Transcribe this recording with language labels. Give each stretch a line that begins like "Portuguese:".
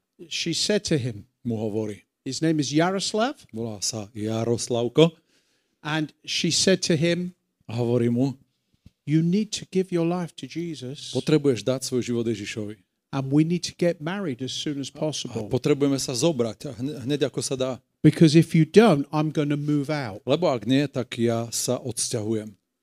English: she said to him,
Slovak: mu hovorí,
English: his name is Jaroslav,
Slovak: volá sa Jaroslavko,
English: and she said to him,
Slovak: a hovorí mu,
English: you need to give your life to Jesus,
Slovak: potrebuješ dať svoj život Ježišovi,
English: and we need to get married as soon as possible,
Slovak: a potrebujeme sa zobrať, hneď ako sa dá,
English: because if you don't, I'm going to move out,
Slovak: lebo ak nie, tak ja sa odsťahujem.